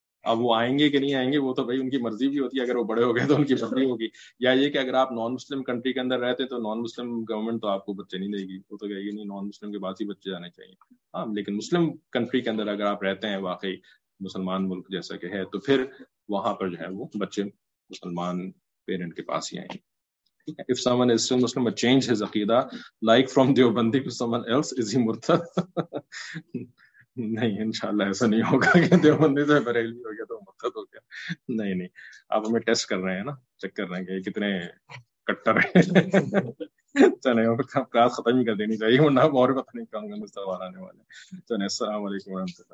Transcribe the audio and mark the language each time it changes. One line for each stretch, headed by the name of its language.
Hindi: अब वो आएंगे कि नहीं आएंगे वो तो भाई उनकी मर्जी भी होती है, अगर वो बड़े हो गए तो उनकी मर्जी होगी, या ये कि अगर आप नॉन मुस्लिम कंट्री के अंदर रहते तो नॉन मुस्लिम गवर्नमेंट तो आपको बच्चे नहीं देगी, वो तो कहेगी नहीं नॉन मुस्लिम के पास ही बच्चे जाने चाहिए। हाँ, लेकिन मुस्लिम कंट्री के अंदर अगर आप रहते हैं वाकई मुसलमान मुल्क जैसा कि है, तो फिर वहां पर जो है वो बच्चे मुसलमान पेरेंट के पास ही आएंगे।
English: If someone is still Muslim but changed his aqeedah, like from Deobandi to someone else, is he murtad?
Hindi: नहीं, इंशाल्लाह ऐसा नहीं होगा कि देवबंदी से बरेली हो गया तो मुर्तद हो गया, नहीं नहीं, आप हमें टेस्ट कर रहे हैं ना, चेक कर रहे हैं कि कितने कट्टर हैं। चलें क्लास खत्म ही कर देनी चाहिए वरना और पता नहीं कहूँगा मुस्तफा आने वाले। चलें अस्सलाम वालेकुम।